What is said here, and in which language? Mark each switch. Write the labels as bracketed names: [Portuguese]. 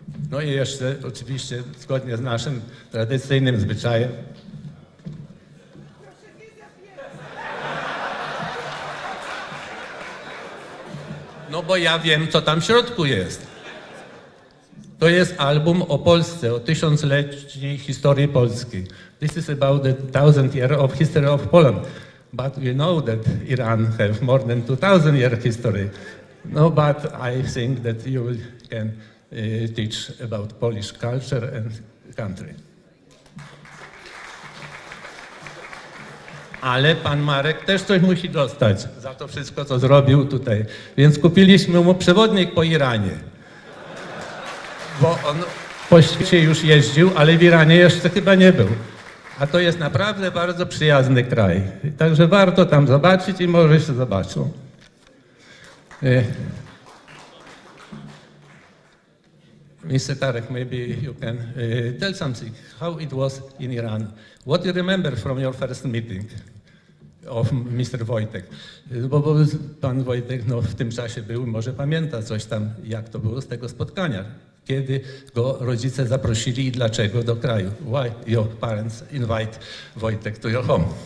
[Polish] No i jeszcze oczywiście zgodnie z naszym tradycyjnym zwyczajem. No bo ja wiem, co tam w środku jest. To jest album o Polsce, o tysiącletniej historii Polski. [English] This is about the 1000 year of history of Poland. But we know that Iran have more than 2000 year history. No, but I think that you can teach about Polish culture and country. [Polish] Ale pan Marek też coś musi dostać za to wszystko, co zrobił tutaj. Więc kupiliśmy mu przewodnik po Iranie. Bo on po świecie już jeździł, ale w Iranie jeszcze chyba nie był. A to jest naprawdę bardzo przyjazny kraj. Także warto tam zobaczyć i może się zobaczą. [English] Mr. Tarek, maybe you can tell something. How it was in Iran? What do you remember from your first meeting of Mr. Wojtek? [Polish] Bo pan Wojtek no, w tym czasie był, może pamięta coś tam, jak to było z tego spotkania. Kiedy go rodzice zaprosili i dlaczego do kraju? [English] Why your parents invite Wojtek to your home?